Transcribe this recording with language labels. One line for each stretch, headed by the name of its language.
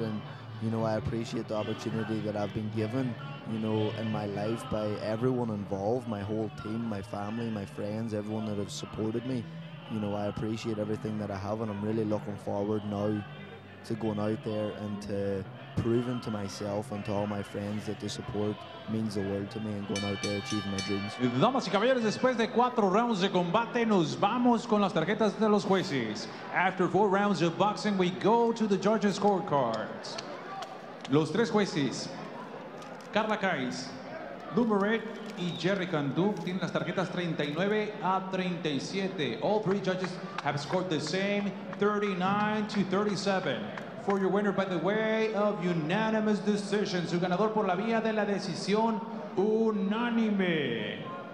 English: And, you know, I appreciate the opportunity that I've been given, you know, in my life by everyone involved, my whole team, my family, my friends, everyone that have supported me. You know, I appreciate everything that I have. And I'm really looking forward now to going out there and to proving to myself and to all my friends that the support means the world to me and going out there achieving my dreams.
Spanish: Damas y caballeros, después de cuatro rounds de combate, nos vamos con las tarjetas de los jueces.
English: After four rounds of boxing, we go to the judges' scorecards.
Spanish: Los tres jueces, Carla Kais, Lou Barrett, y Jerry Cantu tienen las tarjetas 39 a 37.
English: All three judges have scored the same, 39 to 37. For your winner, by the way, of unanimous decision.
Spanish: Su ganador por la vía de la decisión unánime.